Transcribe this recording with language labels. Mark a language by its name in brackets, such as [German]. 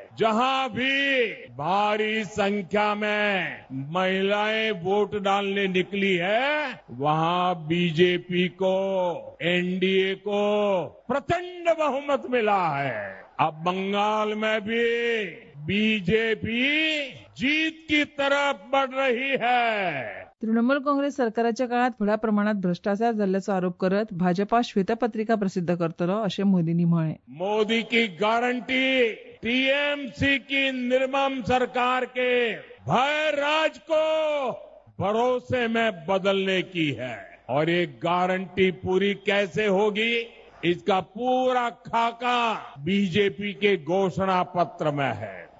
[Hindi] जहां भी भारी संख्या में महिलाएं वोट डालने निकली है वहां बीजेपी को, एनडीए को प्रचंड बहुमत मिला है. अब बंगाल में भी बीजेपी जीत की तरफ बढ़ रही है. [Konkani] तृणमूल काँग्रेस सरकाराच्या काळात थोड्या प्रमाणात भ्रष्टाचार झाल्याचा आरोप करत भाजपा श्वेतपत्रिका प्रसिद्ध करतलो असे मोदींनी म्हळे. [Hindi] मोदी की गारंटी टीएमसी की निर्मम सरकार के भय राज को भरोसे में बदलने की है. और ये गारंटी पूरी कैसे होगी इसका पूरा खाका बीजेपी के घोषणा पत्र में है.